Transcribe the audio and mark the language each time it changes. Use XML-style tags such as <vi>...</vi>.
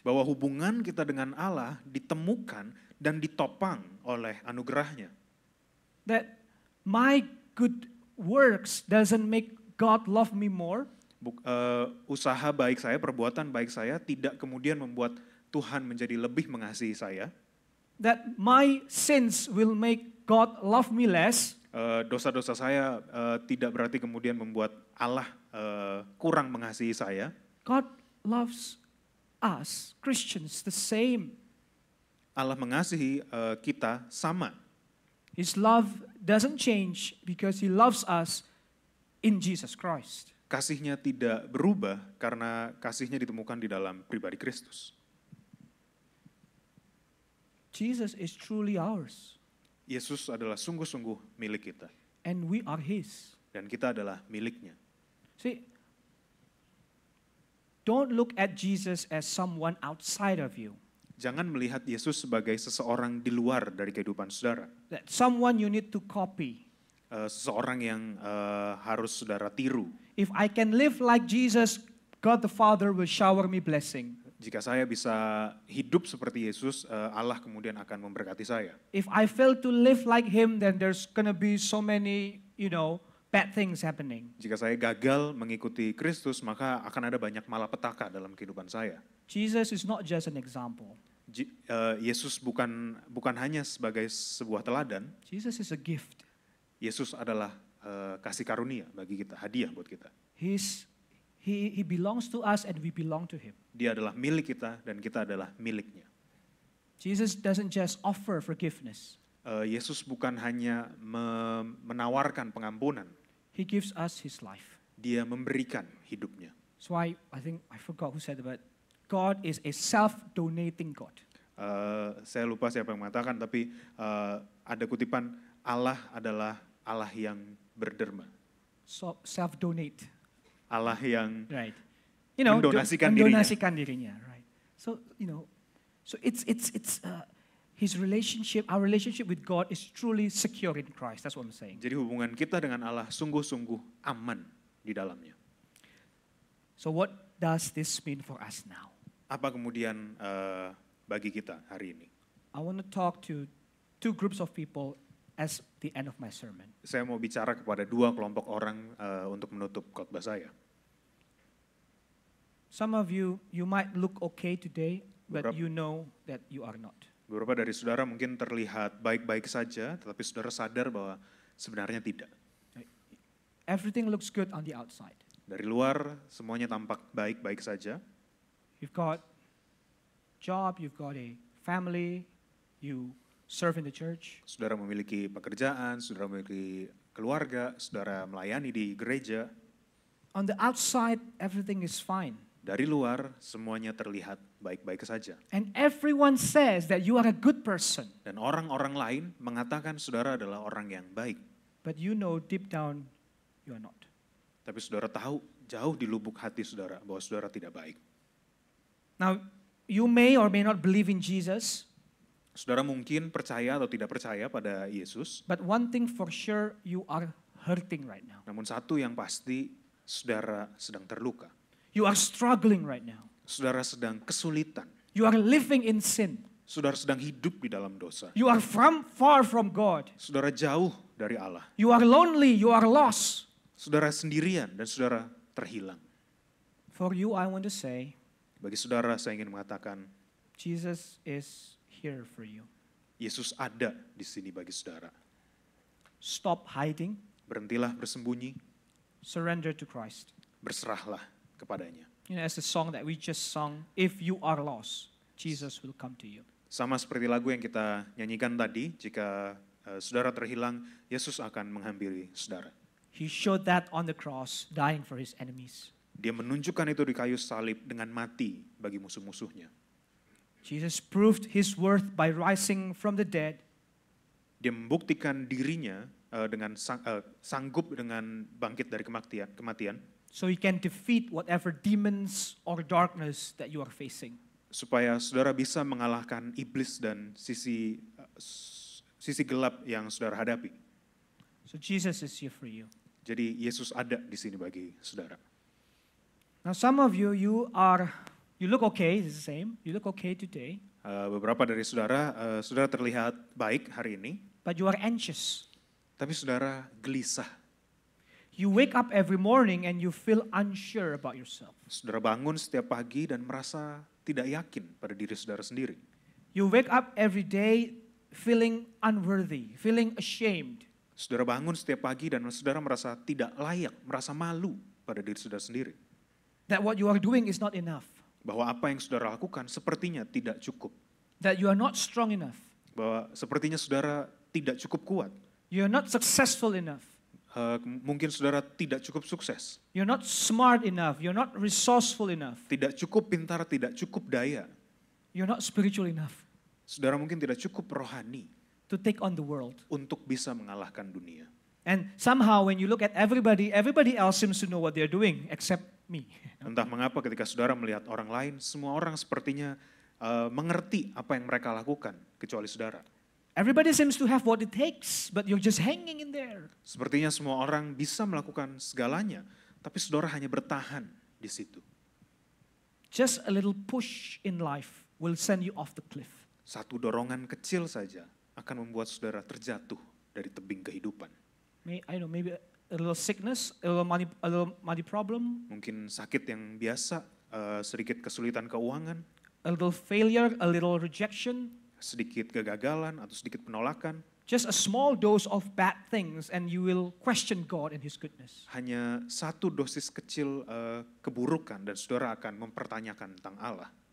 <id>Bahwa hubungan kita dengan Allah ditemukan dan ditopang oleh anugerahnya.</id> <en>That my good works doesn't make God love me more.</en> <id>Usaha baik saya, perbuatan baik saya tidak kemudian membuat Tuhan menjadi lebih mengasihi saya.</id> <en>That my sins will make God love me less.</en> <id>Dosa-dosa saya tidak berarti kemudian membuat Allah kurang mengasihi saya.</id> <en>God loves us Christians the same.</en> <id>Allah mengasihi kita sama.</id> <en>His love doesn't change because he loves us in Jesus Christ.</en> <id>Kasihnya tidak berubah karena kasihnya ditemukan di dalam pribadi Kristus.</id> <en>Jesus is truly ours.</en> <id>Yesus adalah sungguh-sungguh milik kita.</id> <en>And we are his.</en> <id>Dan kita adalah miliknya.</id> <en>See, don't look at Jesus as someone outside of you.</en> <id>Jangan melihat Yesus sebagai seseorang di luar dari kehidupan saudara.</id> <en>That someone you need to copy.</en> <id>Seseorang yang harus saudara tiru.</id> <en>If I can live like Jesus, God the Father will shower me blessing.</en> <id>Jika saya bisa hidup seperti Yesus, Allah kemudian akan memberkati saya.</id> <en>If I fail to live like him, then there's gonna be so many, you know, bad things happening.</en> <id>Jika saya gagal mengikuti Kristus, maka akan ada banyak malapetaka dalam kehidupan saya.</id> <en>Jesus is not just an example.</en> <id>Yesus bukan hanya sebagai sebuah teladan.</id> <en>Jesus is a gift.</en> <id>Yesus adalah kasih karunia bagi kita, hadiah buat kita.</id> <en>He belongs to us and we belong to him.</en> <id>Dia adalah milik kita dan kita adalah miliknya.</id> <en>Jesus doesn't just offer forgiveness.</en> <id>Yesus bukan hanya menawarkan pengampunan.</id> <en>He gives us his life.</en> <id>Dia memberikan hidupnya.</id> <en>So I think I forgot who said it, but God is a self-donating God.</en> <id>Saya lupa siapa yang mengatakan, tapi ada kutipan Allah adalah Allah yang berderma.</id> <en>So, self-donate.</en> <id>Allah yang</id> <en>right. You know,</en> <id>mendonasikan dirinya.</id> <en>Right. So you know, so it's his relationship. Our relationship with God is truly secure in Christ. That's what I'm saying.</en> <id>Jadi hubungan kita dengan Allah sungguh-sungguh aman di dalamnya.</id> <en>So what does this mean for us now?</en> <id>Apa kemudian bagi kita hari ini?</id> <en>I want to talk to two groups of people as the end of my sermon.</en> <id>Saya mau bicara kepada dua kelompok orang untuk menutup khotbah saya.</id> <en>Some of you, you might look okay today, but you know that you are not.</en> <id>Beberapa dari saudara mungkin terlihat baik-baik saja, tetapi saudara sadar bahwa sebenarnya tidak.</id> <en>Everything looks good on the outside.</en> <id>Dari luar semuanya tampak baik-baik saja.</id> <en>You've got job, you've got a family, you serve in the church.</en> <id>Saudara memiliki pekerjaan, saudara memiliki keluarga, saudara melayani di gereja.</id> <en>On the outside, everything is fine.</en> <id>Dari luar semuanya terlihat baik-baik saja.</id> <en>And everyone says that you are a good person.</en> <id>Dan orang-orang lain mengatakan saudara adalah orang yang baik.</id> <en>But you know deep down you are not.</en> <id>Tapi saudara tahu jauh di lubuk hati saudara bahwa saudara tidak baik.</id> <en>Now you may or may not believe in Jesus.</en> <id>Saudara mungkin percaya atau tidak percaya pada Yesus.</id> <en>But one thing for sure, you are hurting right now.</en> <id>Namun satu yang pasti, saudara sedang terluka.</id> <en>You are struggling right now.</en> <id>Saudara sedang kesulitan.</id> <en>You are living in sin.</en> <id>Saudara sedang hidup di dalam dosa.</id> <en>You are far from God.</en> <id>Saudara jauh dari Allah.</id> <en>You are lonely, you are lost.</en> <id>Saudara sendirian dan saudara terhilang.</id> <en>For you I want to say,</en> <id>bagi saudara saya ingin mengatakan,</id> <en>Jesus is here for you.</en> <id>Yesus ada di sini bagi saudara.</id> <en>Stop hiding.</en> <id>Berhentilah bersembunyi.</id> <en>Surrender to Christ.</en> <id>Berserahlah kepadanya.</id> <en>You know, as the song that we just sung, if you are lost, Jesus will come to you.</en> <id>Sama seperti lagu yang kita nyanyikan tadi, jika saudara terhilang, Yesus akan menghampiri saudara.</id> <en>He showed that on the cross, dying for his enemies.</en> <id>Dia menunjukkan itu di kayu salib dengan mati bagi musuh-musuhnya.</id> <en>Jesus proved his worth by rising from the dead.</en> <id>Dia membuktikan dirinya sanggup dengan bangkit dari kematian.</id> <en>So he can defeat whatever demons or darkness that you are facing.</en> <id>Supaya saudara bisa mengalahkan iblis dan sisi gelap yang saudara hadapi.</id> <en>So Jesus is here for you.</en> <id>Jadi Yesus ada di sini bagi saudara.</id> <en>Now some of you, you look okay, it's the same. You look okay today.</en> <id>Beberapa dari saudara, saudara terlihat baik hari ini.</id> <en>But you are anxious.</en> <id>Tapi saudara gelisah.</id> <en>You wake up every morning and you feel unsure about yourself.</en> <id>Saudara bangun setiap pagi dan merasa tidak yakin pada diri saudara sendiri.</id> <en>You wake up every day feeling unworthy, feeling ashamed.</en> <id>Saudara bangun setiap pagi dan saudara merasa tidak layak, merasa malu pada diri saudara sendiri.</id> <en>That what you are doing is not enough.</en> <id>Bahwa apa yang saudara lakukan sepertinya tidak cukup.</id> <en>That you are not strong enough.</en> <id>Bahwa sepertinya saudara tidak cukup kuat.</id> <en>You are not successful enough.</en> <id>Mungkin saudara tidak cukup sukses.</id> <en>You're not smart enough. You're not resourceful enough.</en> <id>Tidak cukup pintar, tidak cukup daya.</id> <en>You're not spiritual enough.</en> <id>Saudara mungkin tidak cukup rohani.</id> <en>To take on the world.</en> <id>Untuk bisa mengalahkan dunia.</id> <en>And somehow when you look at everybody, everybody else seems to know what they're doing except me.</en> <id>Entah mengapa ketika saudara melihat orang lain, semua orang sepertinya mengerti apa yang mereka lakukan kecuali saudara.</id> <en>Everybody seems to have what it takes, but you're just hanging in there.</en> <id>Sepertinya semua orang bisa melakukan segalanya, tapi saudara hanya bertahan di situ.</id> <en>Just a little push in life will send you off the cliff.</en> <id>Satu dorongan kecil saja akan membuat saudara terjatuh dari tebing kehidupan.</id> <en>Maybe a little sickness, a little money problem.</en> <id>Mungkin sakit yang biasa, sedikit kesulitan keuangan.</id> <en>A little failure, a little rejection.</en> <id>Sedikit kegagalan atau sedikit penolakan.</id> <en>Just a small dose of bad things and you will question God and his goodness.</en> <id>Hanya satu dosis kecil keburukan dan saudara akan mempertanyakan tentang Allah.</id>